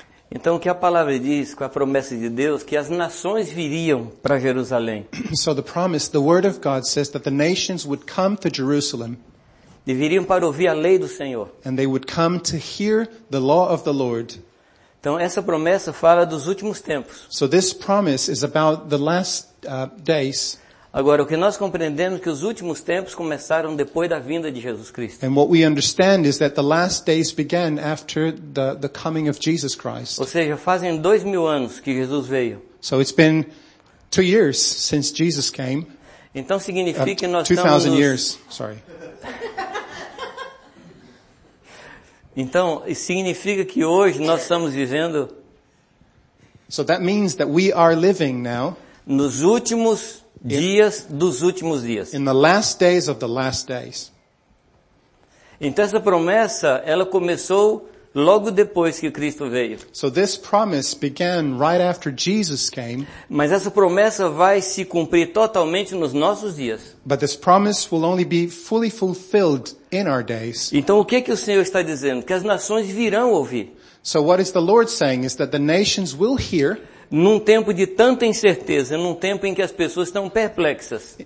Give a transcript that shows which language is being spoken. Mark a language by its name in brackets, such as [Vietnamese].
[Portuguese] Então, o que a palavra diz, com a promessa de Deus, que as nações viriam para Jerusalém. [English] So the promise, the word of God says that the nations would come to Jerusalem. [Portuguese] Deveriam para ouvir a lei do Senhor. [English] And they would come to hear the law of the Lord. [Portuguese] Então, essa promessa fala dos últimos tempos. [English] So this promise is about the last days. [Portuguese] Agora, o que nós compreendemos é que os últimos tempos começaram depois da vinda de Jesus Cristo. [English] And what we understand is that the last days began after the coming of Jesus Christ. [Portuguese] Ou seja, fazem 2000 anos que Jesus veio. [English] So it's been 2 years since Jesus came. [Portuguese] Então significa que nós [English] 2000 [Portuguese] estamos... [English] years, sorry. [Portuguese] Então, significa que hoje nós estamos vivendo [English] So that means that we are living now [Portuguese] nos últimos dias dos últimos dias. [English] In the last days of the last days. [Portuguese] Então essa promessa, ela começou logo depois que Cristo veio. [English] So this promise began right after Jesus came. [Portuguese] Mas essa promessa vai se cumprir totalmente nos nossos dias. [English] But this promise will only be fully fulfilled in our days. [Portuguese] Então o que que o Senhor está dizendo? Que as nações virão ouvir. [English] So what is the Lord saying is that the nations will hear. [Portuguese] Num tempo de tanta incerteza, num tempo em que as pessoas estão perplexas.